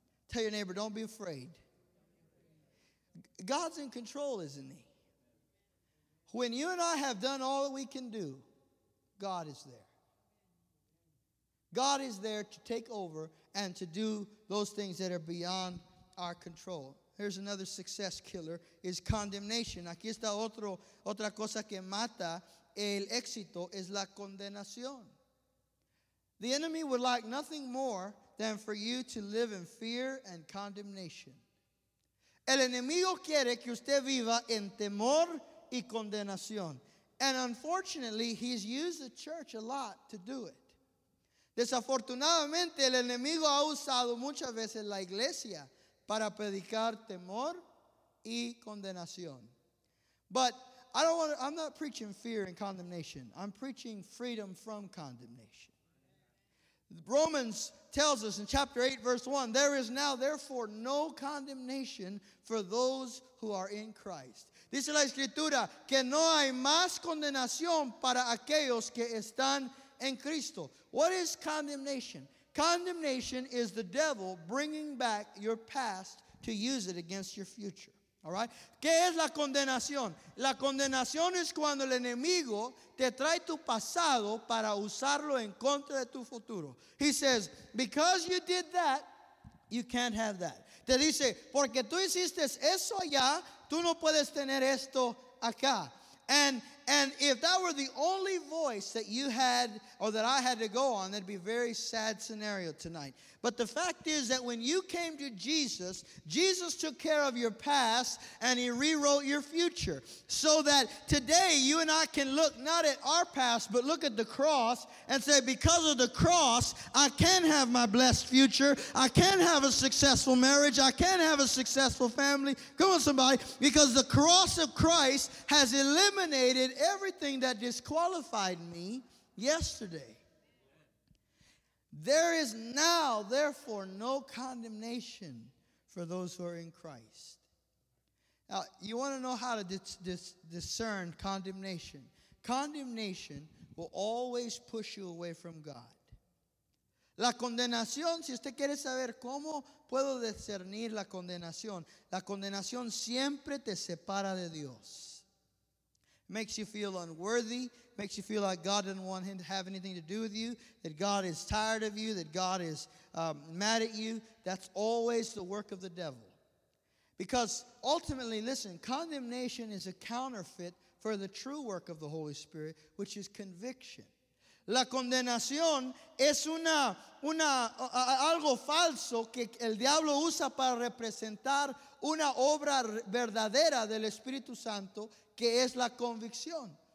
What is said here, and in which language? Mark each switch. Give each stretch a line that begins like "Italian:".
English: Tell your neighbor, don't be afraid. God's in control, isn't he? When you and I have done all that we can do, God is there. God is there to take over and to do those things that are beyond our control. Here's another success killer, is condemnation.
Spanish: Aquí está otra cosa que mata el éxito, es la condenación.
English: The enemy would like nothing more than for you to live in fear and condemnation.
Spanish: El enemigo quiere que usted viva en temor y condenación.
English: And unfortunately, he's used the church a lot to do it.
Spanish: Desafortunadamente, el enemigo ha usado muchas veces la iglesia para predicar temor y condenación.
English: But I'm not preaching fear and condemnation. I'm preaching freedom from condemnation. Romans tells us in chapter 8, verse 1, there is now therefore no condemnation for those who are in Christ.
Spanish: Dice la Escritura que no hay más condenación para aquellos que están en Cristo.
English: What is condemnation? Condemnation is the devil bringing back your past to use it against your future. All right?
Spanish: ¿Qué es la condenación? La condenación es cuando el enemigo te trae tu pasado para usarlo en contra de tu futuro.
English: He says, because you did that, you can't have that.
Spanish: Te dice, porque tú hiciste eso allá, tú no puedes tener esto acá.
English: And if that were the only voice that you had or that I had to go on, that'd be a very sad scenario tonight. But the fact is that when you came to Jesus, Jesus took care of your past and he rewrote your future. So that today you and I can look not at our past, but look at the cross and say, because of the cross, I can have my blessed future. I can have a successful marriage. I can have a successful family. Come on, somebody. Because the cross of Christ has eliminated everything that disqualified me yesterday. There is now, therefore, no condemnation for those who are in Christ. Now, you want to know how to discern condemnation. Condemnation will always push you away from God.
Spanish: La condenación, si usted quiere saber cómo puedo discernir la condenación siempre te separa de Dios.
English: Makes you feel unworthy, makes you feel like God didn't want him to have anything to do with you, that God is tired of you, that God is mad at you. That's always the work of the devil. Because ultimately, listen, condemnation is a counterfeit for the true work of the Holy Spirit, which is conviction.
Spanish: La condenación es algo falso que el diablo usa para representar una obra verdadera del Espíritu Santo, que es la convicción.